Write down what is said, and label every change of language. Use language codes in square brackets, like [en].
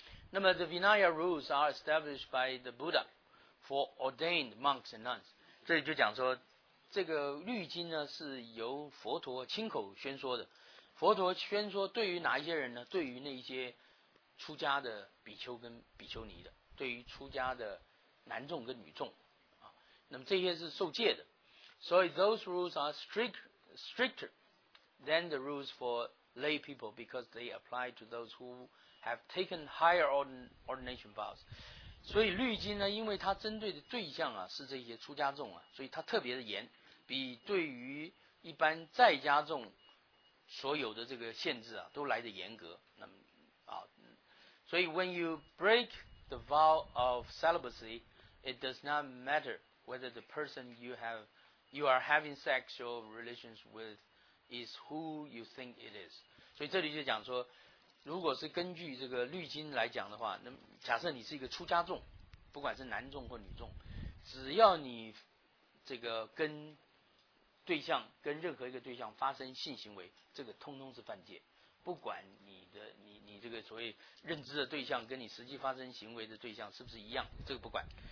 [en] 那么 the Vinaya rules are established by the Buddha for ordained monks and nuns。 [zh] 这里就讲说这个律经呢是由佛陀亲口宣说的，佛陀宣说对于哪一些人呢？对于那些出家的比丘跟比丘尼的，对于出家的男众跟女众啊，那么这些是受戒的。 [en] 所以 those rules are stricter than the rules for lay people because they apply to those who have taken higher ordination vows。 [zh] 所以律经呢，因为它针对的对象啊是这些出家众啊，所以它特别的严，比对于一般在家众所有的这个限制啊都来得严格。 [en] 那么啊，所以 when you break the vow of celibacy, it does not matter whether the person you are having sexual relations with is who you think it is。 [zh] 所以这里就讲说，如果是根据这个律经来讲的话，那么假设你是一个出家众，不管是男众或女众，只要你这个跟对象跟任何一个对象发生性行为，这个通通是犯戒，不管你这个所谓认知的对象跟你实际发生行为的对象是不是一样，这个不管。